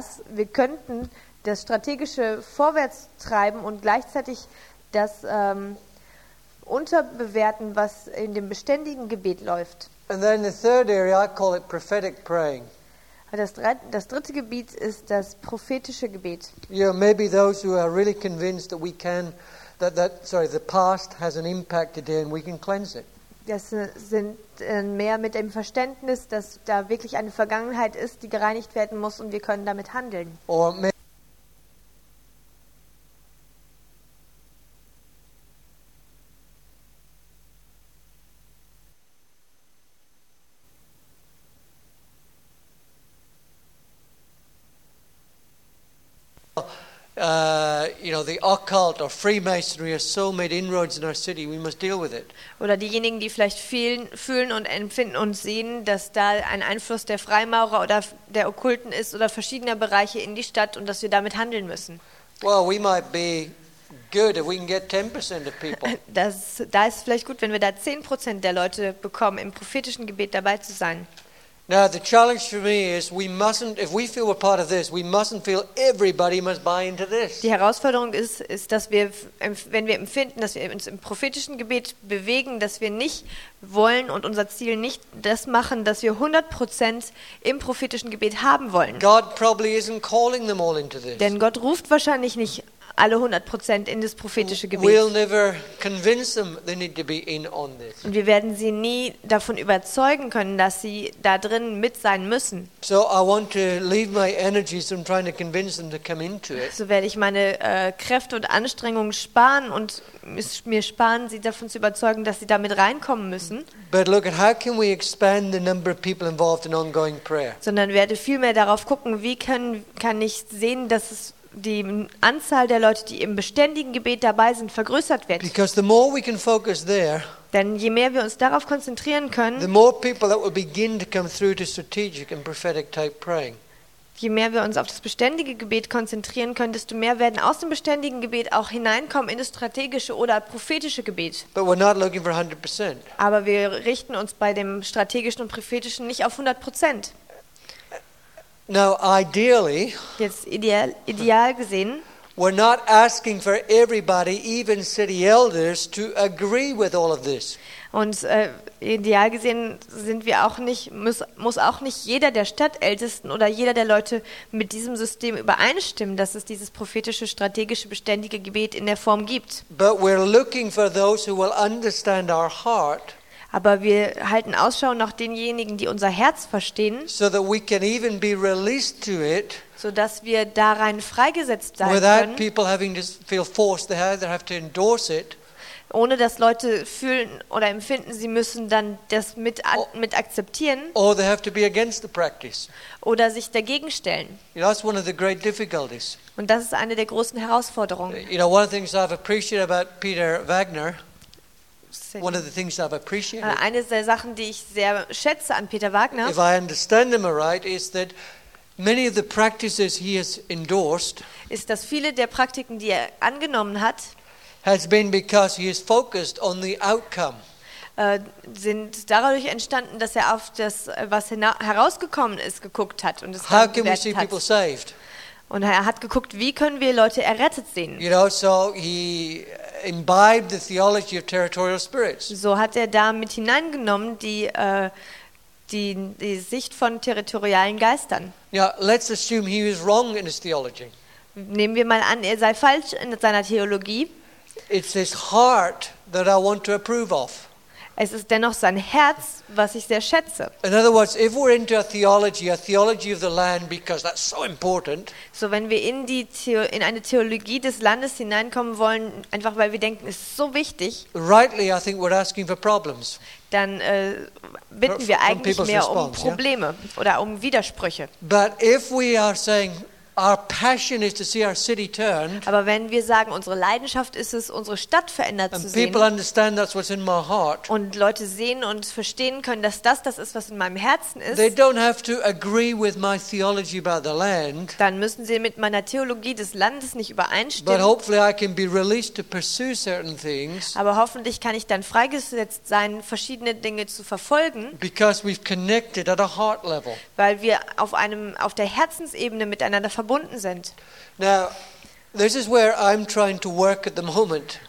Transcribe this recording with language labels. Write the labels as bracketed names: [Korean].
[German] Wir könnten das strategische vorwärts treiben und gleichzeitig das unterbewerten, was in dem beständigen Gebet läuft. [English] And then the third area, I call it prophetic praying. [German] Das dritte Gebiet ist das prophetische Gebet. [English] Yeah, maybe those who are really convinced that we can, that the past has an impact today and we can cleanse it. [German] Das sind mehr mit dem Verständnis, dass da wirklich eine Vergangenheit ist, die gereinigt werden muss und wir können damit handeln. [English] Or the occult or Freemasonry has so made inroads in our city, we must deal with it. [German] Oder diejenigen, die vielleicht fühlen und empfinden und sehen, dass da ein Einfluss der Freimaurer oder der Okkulten ist oder verschiedener Bereiche in die Stadt und dass wir damit handeln müssen. [English] Well, we might be good if we can get 10% of people. [German] Da ist vielleicht gut, wenn wir da 10% der Leute bekommen, im prophetischen Gebet dabei zu sein. [English] Now the challenge for me is we mustn't, if we feel we're part of this, we mustn't feel everybody must buy into this. [German] Die Herausforderung ist, dass wir, wenn wir empfinden, dass wir uns im prophetischen Gebet bewegen, dass wir nicht wollen und unser Ziel nicht das machen, dass wir 100% im prophetischen Gebet haben wollen. [English] God probably isn't calling them all into this. [German] Denn Gott ruft wahrscheinlich nicht alle 100% in das prophetische Gebet. [English] We'll never convince them they need to be in on this. [German] Und wir werden sie nie davon überzeugen können, dass sie da drin mit sein müssen. [English] So I want to leave my energies from trying to convince them to come into it. [German] So werde ich meine Kräfte und Anstrengungen sparen und mir sparen, sie davon zu überzeugen, dass sie damit reinkommen müssen. [English] But look at how can we expand the number of people involved in ongoing prayer. [German] Sondern werde vielmehr darauf gucken, wie kann ich sehen, dass es die Anzahl der Leute, die im beständigen Gebet dabei sind, vergrößert wird. [English] Because the more we can focus there, [German] denn je mehr wir uns darauf konzentrieren können, [English] the more people that will begin to come through to strategic and prophetic type praying. [German] Je mehr wir uns auf das beständige Gebet konzentrieren können, desto mehr werden aus dem beständigen Gebet auch hineinkommen in das strategische oder prophetische Gebet. [English] But we're not looking for 100%. [German] Aber wir richten uns bei dem strategischen und prophetischen nicht auf 100%. [English] Now, ideally, [German] jetzt ideal gesehen, [English] we're not asking for everybody, even city elders, to agree with all of this. [German] Und ideal gesehen sind wir auch nicht, muss auch nicht jeder der Stadtältesten oder jeder der Leute mit diesem System übereinstimmen, dass es dieses prophetische, strategische, beständige Gebet in der Form gibt. [English] But we're looking for those who will understand our heart. [German] Aber wir halten Ausschau nach denjenigen, die unser Herz verstehen, [English] so that we can even be released to it, [German] so dass wir da rein freigesetzt sein [English] without [German] können. [English] People having to feel forced, they either have to endorse it. [German] Ohne dass Leute fühlen oder empfinden, sie müssen dann das mit akzeptieren. [English] Or they have to be against the practice. [German] Oder sich dagegen stellen. [English] That's one of the great difficulties. [German] Und das ist eine der großen Herausforderungen. [English] You know, one of the things I've appreciated about Peter Wagner. One of the things I've appreciated. [German] Eine der Sachen, die ich sehr schätze an Peter Wagner. [English] If I understand him right, is that many of the practices he has endorsed. [German] Ist, dass viele der Praktiken, die er angenommen hat. [English] Has been because he is focused on the outcome. [German] Sind dadurch entstanden, dass er auf das, was herausgekommen ist, geguckt hat und es [English] How can we see people saved? [German] Und er hat geguckt, wie können wir Leute errettet sehen? [English] You know, so he imbibed the theology of territorial spirits. [German] So hat er damit hineingenommen die Sicht von territorialen Geistern. [English] Yeah, let's assume he was wrong in his theology. [German] Nehmen wir mal an, er sei falsch in seiner Theologie. [English] It's his heart that I want to approve of. [German] Es ist dennoch sein Herz, was ich sehr schätze. [English] In other words, if we're into a theology of the land, because that's so important. [German] So wenn wir in eine Theologie des Landes hineinkommen wollen, einfach weil wir denken, es ist so wichtig. [English] Rightly, I think we're asking for problems. [German] Dann bitten wir eigentlich mehr um Probleme oder um Widersprüche. [English] But if we are saying our passion is to see our city turned. [German] Aber wenn wir sagen, unsere Leidenschaft ist es, unsere Stadt verändert zu sehen. [English] And people understand that's what's in my heart. [German] Und Leute sehen und verstehen können, dass das ist, was in meinem Herzen ist. [English] They don't have to agree with my theology about the land. [German] Dann müssen sie mit meiner Theologie des Landes nicht übereinstimmen. [English] But hopefully I can be released to pursue certain things. [German] Aber hoffentlich kann ich dann freigesetzt sein, verschiedene Dinge zu verfolgen. [English] Because we've connected at a heart level. [German] Weil wir auf der Herzensebene miteinander verbunden sind. [English] Now, this is where I'm trying to work at the moment.